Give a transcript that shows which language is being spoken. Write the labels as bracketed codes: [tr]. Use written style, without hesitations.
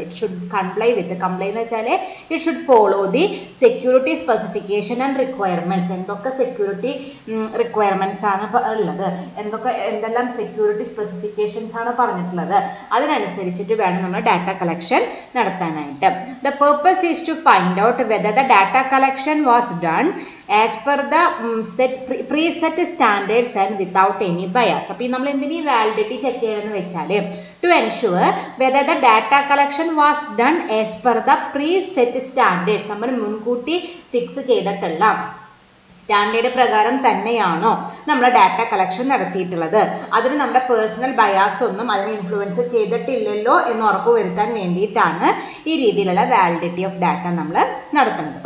[en] it should comply with, comply [ml] എന്ന് വെച്ചാൽ [en] It should follow the security specification and requirements. [ml] എന്തൊക്കെ security requirements ആണ് ഉള്ളത്, എന്തെല്ലാം സെക്യൂരിറ്റി സ്പെസിഫിക്കേഷൻസ് ആണ് പറഞ്ഞിട്ടുള്ളത്, അതിനനുസരിച്ചിട്ട് വേണം നമ്മൾ ഡാറ്റ കളക്ഷൻ നടത്താൻ. [en] The purpose is to find out whether the data collection was done as per the preset standards and without any bias. [ml] അപ്പോൾ നമ്മൾ എന്തിനീ വാലിഡിറ്റി ചെക്ക് ചെയ്യണമെന്ന് വെച്ചാൽ, [en] to ensure whether the data collection was done as per the preset standards. [ml] നമ്മൾ മുൻകൂട്ടി fix ചെയ്തിട്ടുള്ള standard പ്രകാരം തന്നെയാണോ നമ്മൾ ഡാറ്റ കളക്ഷൻ നടത്തിയിട്ടുള്ളത്, അതിന് നമ്മുടെ പേഴ്സണൽ ബയാസ് ഒന്നും അതിന് ഇൻഫ്ലുവൻസ് ചെയ്തിട്ടില്ലല്ലോ എന്ന് ഉറപ്പ് വരുത്താൻ വേണ്ടിയിട്ടാണ് ഈ രീതിയിലുള്ള വാലിഡിറ്റി ഓഫ് ഡാറ്റ നമ്മൾ നടത്തുന്നത്.